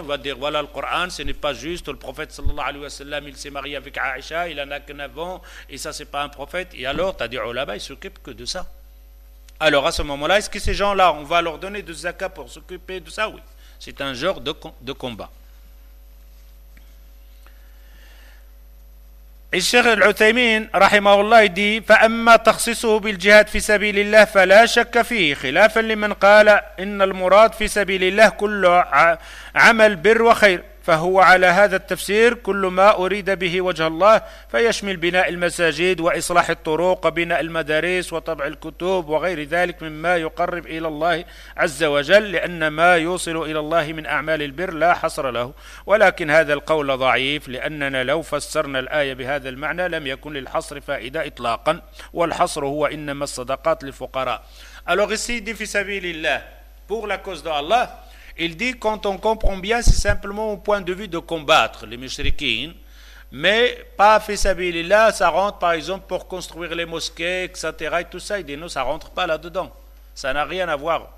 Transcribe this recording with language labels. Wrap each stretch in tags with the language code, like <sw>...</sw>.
<fr>Il va dire, voilà le Coran, ce n'est pas juste. Le prophète, sallallahu alayhi wa sallam, il s'est marié avec Aïcha, il en a que 9 ans, et ça, ce n'est pas un prophète. Et alors, tu as des ulamas, il ne s'occupe que de ça. Alors, à ce moment-là, est-ce que ces gens-là, on va leur donner du zakat pour s'occuper de ça? Oui, c'est un genre de combat.</fr> <ar>الشيخ العثيمين رحمه الله دي فأما تخصصه بالجهاد في سبيل الله فلا شك فيه خلافا لمن قال إن المراد في سبيل الله كل عمل بر وخير فهو على هذا التفسير كل ما أريد به وجه الله فيشمل بناء المساجد وإصلاح الطرق وبناء المدارس وطبع الكتب وغير ذلك مما يقرب إلى الله عز وجل لأن ما يوصل إلى الله من أعمال البر لا حصر له ولكن هذا القول ضعيف لأننا لو فسرنا الآية بهذا المعنى لم يكن للحصر فائدة إطلاقا والحصر هو إنما الصدقات للفقراء.</ar> <fr>Alors ici, dit</fr> <ar>في سبيل الله,</ar> <fr>pour la cause de Allah. Il dit, quand on comprend bien, c'est simplement au point de vue de combattre les mushrikin, mais pas fisabilillah, ça rentre par exemple pour construire les mosquées, etc. Et tout ça, il dit non, ça ne rentre pas là-dedans. Ça n'a rien à voir.</fr>